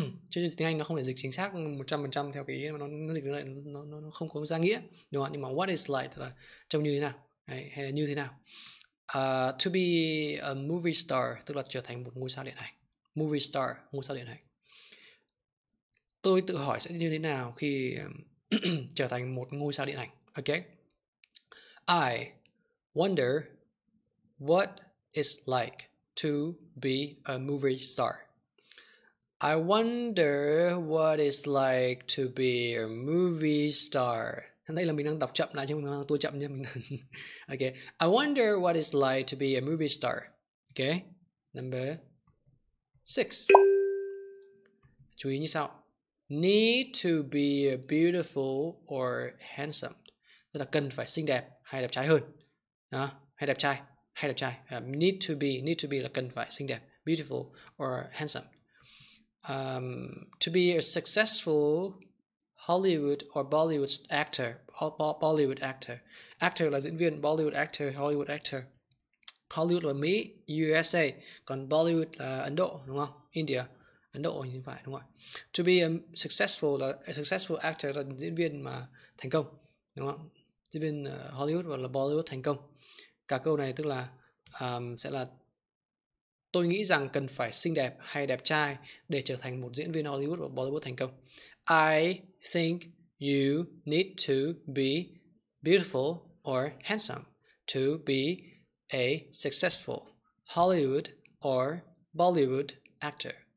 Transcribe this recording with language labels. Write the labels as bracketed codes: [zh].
[vi] Chứ tiếng Anh nó không thể dịch chính xác 100% theo cái ý, mà nó dịch như vậy nó không có ra nghĩa, đúng không? Nhưng mà [en] what is like [vi] là trông như thế nào, hay là như thế nào. [en] To be a movie star, [vi] tức là trở thành một ngôi sao điện ảnh. Movie star, ngôi sao điện ảnh. Tôi tự hỏi sẽ như thế nào khi trở thành một ngôi sao điện ảnh. [en] Ok, I wonder what it's like to be a movie star. I wonder what it's like to be a movie star. [vi] Đây là mình đang đọc chậm lại chứ mình đang tua chậm nha. [en] Okay. I wonder what it's like to be a movie star. [vi] Okay. Number 6. Chú ý như sau. [en] need to be beautiful or handsome. [vi] Tức là cần phải xinh đẹp hay đẹp trai hơn. Đó, hay đẹp trai, hay đẹp trai. Need to be là cần phải xinh đẹp, [en] beautiful or handsome. To be a successful Hollywood or Bollywood actor. Bollywood actor. Actor [vi] là diễn viên, [en] Bollywood actor, Hollywood actor. [vi] Hollywood là Mỹ, USA, còn Bollywood là Ấn Độ, đúng không? India, Ấn Độ như vậy, đúng không? [en] To be a successful actor [vi] là diễn viên mà thành công, đúng không? Diễn viên Hollywood hoặc là Bollywood thành công. Cả câu này tức là sẽ là tôi nghĩ rằng cần phải xinh đẹp hay đẹp trai để trở thành một diễn viên Hollywood hoặc Bollywood thành công. [en] I think you need to be beautiful or handsome to be a successful Hollywood or Bollywood actor.